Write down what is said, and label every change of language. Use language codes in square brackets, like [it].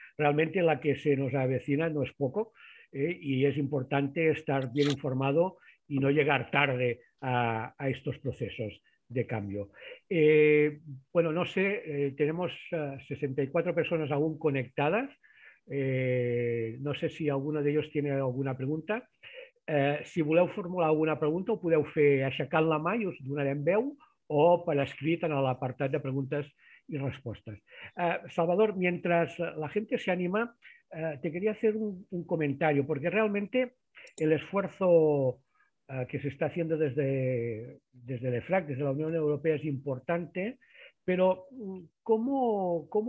[es] Realmente la que se nos avecina no es poco y es importante estar bien informado y no llegar tarde a estos procesos de cambio. Bueno, no sé, tenemos 64 personas aún conectadas. No sé si alguno de ellos tiene alguna pregunta. [ca] Si voleu formular alguna pregunta, ho podeu fer aixecant la mà i us donarem veu o per escrit en l'apartat de preguntes i respostes. [es] Salvador, mientras la gente se anima, te quería hacer un comentario, porque realmente el esfuerzo que se está haciendo desde el EFRAC, desde la Unión Europea, es importante, pero ¿cómo